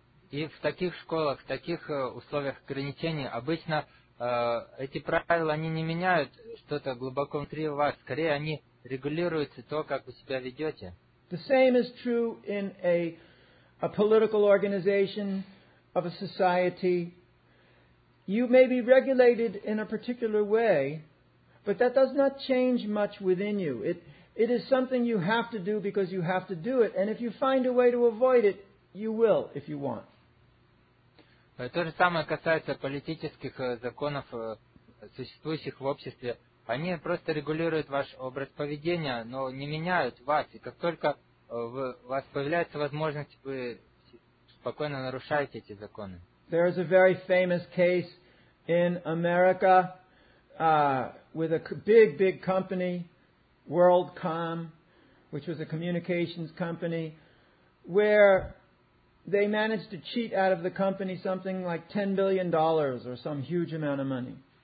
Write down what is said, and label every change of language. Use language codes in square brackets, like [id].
[ru] И в таких школах, в таких условиях ограничений обычно эти правила они не меняют что-то глубоко внутри вас, скорее они регулируются то, как вы себя ведете. [en] The same is true in a political organization of a society. You may be regulated in a particular way, but that does not change much within you. It is something you have to do because you have to do it, and if you find a way to avoid it, you will, if you want. [ru] То же самое касается политических законов, существующих в обществе. Они просто регулируют ваш образ поведения, но не меняют вас. И как только у вас появляется возможность, вы спокойно нарушаете эти законы. [en] There is a very famous case in America with a big company, WorldCom, which was a communications company, where they managed to cheat out of the company something like $10 billion or some huge amount of money.